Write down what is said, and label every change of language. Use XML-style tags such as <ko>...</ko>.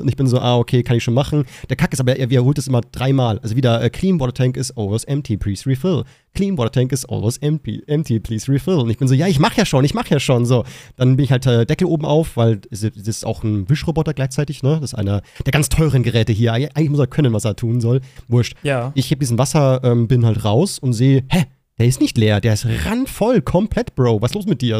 <de>Und ich bin so, okay, kann ich schon machen. Der Kack ist aber, er wiederholt es immer dreimal. Also wieder,</de> <en>clean water tank is almost empty, please refill. Clean water tank is almost empty, please refill.</en> <de>Und ich bin so, ja, ich mach ja schon. So, dann bin ich halt Deckel oben auf, weil das ist auch ein Wischroboter gleichzeitig, ne? Das ist einer der ganz teuren Geräte hier. Eigentlich muss er können, was er tun soll. Wurscht. Ja. Ich heb diesen Wasser, bin halt raus und sehe, der ist nicht leer, der ist randvoll, komplett, Bro. Was ist los mit dir?</de>